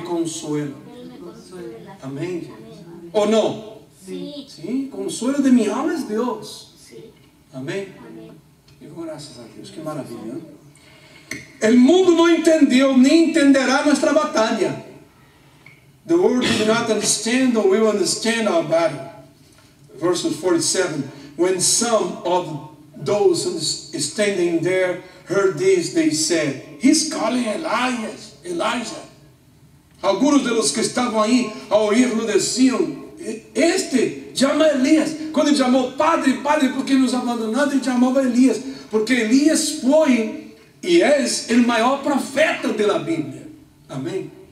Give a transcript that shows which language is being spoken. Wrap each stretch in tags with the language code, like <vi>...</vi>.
<es>consuela.</es> <pt>Amém? Ou não? Sim. Sim, consuelo de minha alma é Deus. Amém? E graças a Deus, que maravilha. O mundo não entendeu, nem entenderá nossa batalha.</pt> <en>The world does not understand or will understand our battle. Verse 47. When some of those standing there heard this, they said, he's calling Elias, Elijah.</en> <pt>Alguns de los que estavam aí ao ouvir-lo diziam, este chama Elias. Quando ele chamou, padre, padre, por que nos abandonaste? Ele chamava Elias, porque Elias foi e é o maior profeta da Bíblia. Amém?</pt>